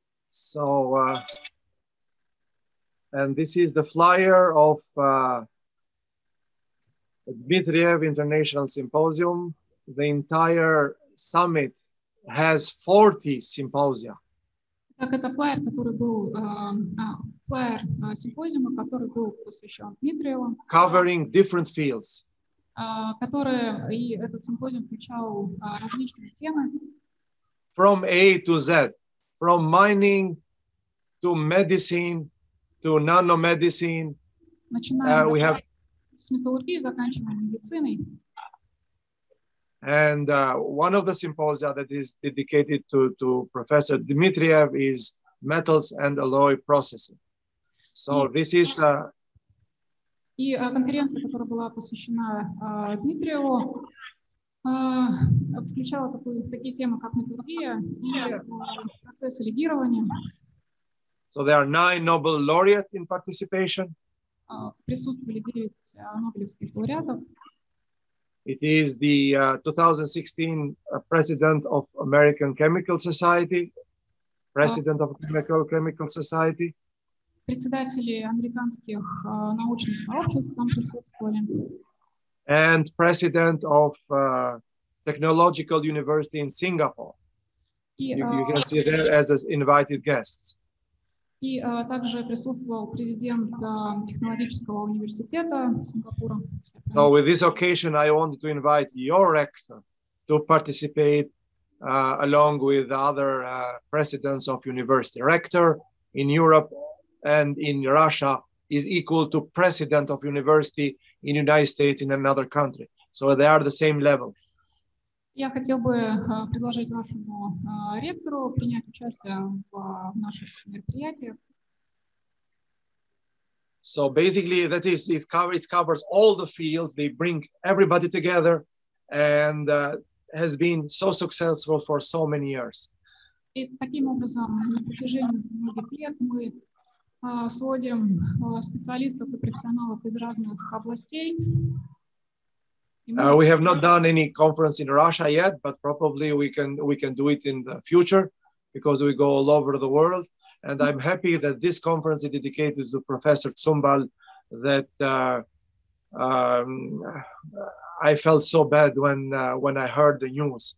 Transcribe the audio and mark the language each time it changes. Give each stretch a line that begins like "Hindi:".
English: So, and this is the flyer of Dmitriev International Symposium. The entire summit has 40 symposia.
Russian: Так, это флайер, который был флайер симпозиума, который был посвящен Дмитриеву.
English: Covering different fields.
Russian: Которые и этот симпозиум включал различные темы.
English: From A to Z, from mining to medicine to nanomedicine.
Russian: С металлургией, заканчивая медициной.
English: And one of the symposia that is dedicated to Professor Dmitriev is metals and alloy processing. So this is
Russian: и конференция, которая была посвящена Дмитриеву, включала такие темы, как металлургия и процессы легирования.
English: So there are 9 Nobel laureates in participation.
Russian: Присутствовали 9 Нобелевских лауреатов.
English: It is the 2016 president of American Chemical Society, president of American Chemical Society.
Russian: Председатели американских научных сообществ там присутствовали.
English: And president of Technological University in Singapore. You can see there as invited guests.
Russian: И также присутствовал президент технологического университета Сингапура.
English: So with this occasion, I wanted to invite your rector to participate along with other presidents of university. Rector in Europe and in Russia is equal to president of university in United States in another country. So they are the same level.
Russian: Я хотел бы предложить вашему ректору принять участие в наших мероприятиях.
English: So basically, that is it covers all the fields. They bring everybody together, and has been so successful for so many years.
Russian: И таким образом на протяжении многих лет мы сводим специалистов и профессионалов из разных областей.
English: We have not done any conference in Russia yet, but probably we can do it in the future because we go all over the world. And I'm happy that this conference is dedicated to Professor Tsymbal, that I felt so bad when I heard the news.